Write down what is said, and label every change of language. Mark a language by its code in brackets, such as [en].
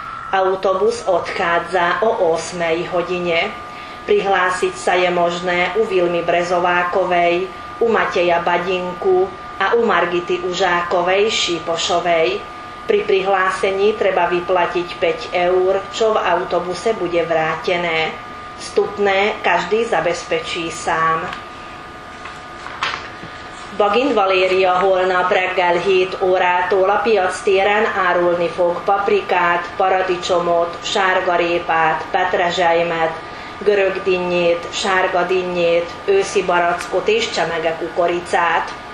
[sk] Autobus odchádza o 8. hodine. Prihlásiť sa je možné u Vilmy Brezovákovej, u Mateja Badinku a u Margity Užákovej Šípošovej. Pri prihlásení treba vyplatiť 5 €, čo v autobuse bude vrátené. Vstupné každý zabezpečí sám. [hu] Bagin Valéria holnap reggel 7 órától a piac téren árulni fog paprikát, paradicsomot, sárgarépát, petrezselymet, görögdinnyét, sárgadinnyét, őszi barackot és csemege kukoricát.